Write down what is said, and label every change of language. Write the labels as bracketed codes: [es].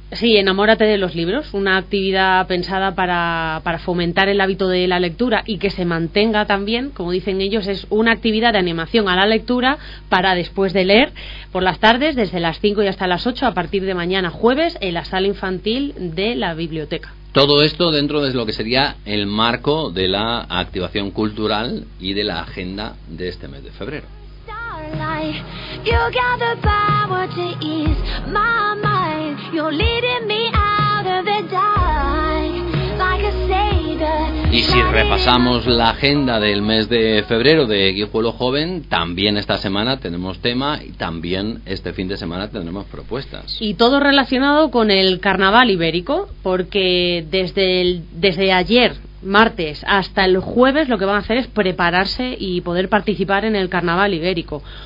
[es] Sí, Enamórate de los Libros, una actividad pensada para fomentar el hábito de la lectura y que se mantenga también, como dicen ellos, es una actividad de animación a la lectura para después de leer, por las tardes, desde las 5 y hasta las 8, a partir de mañana jueves, en la sala infantil de la biblioteca. Todo esto dentro de lo que sería el marco de la activación cultural y de la agenda de este mes de febrero. [en] You got the power to ease my mind. You're leading me out of the dark like a savior. [es] Y si repasamos la agenda del mes de febrero de Guijuelo Joven, también esta semana tenemos tema y también este fin de semana tendremos propuestas. Y todo relacionado con el carnaval ibérico, porque desde ayer, martes, hasta el jueves, lo que van a hacer es prepararse y poder participar en el carnaval ibérico.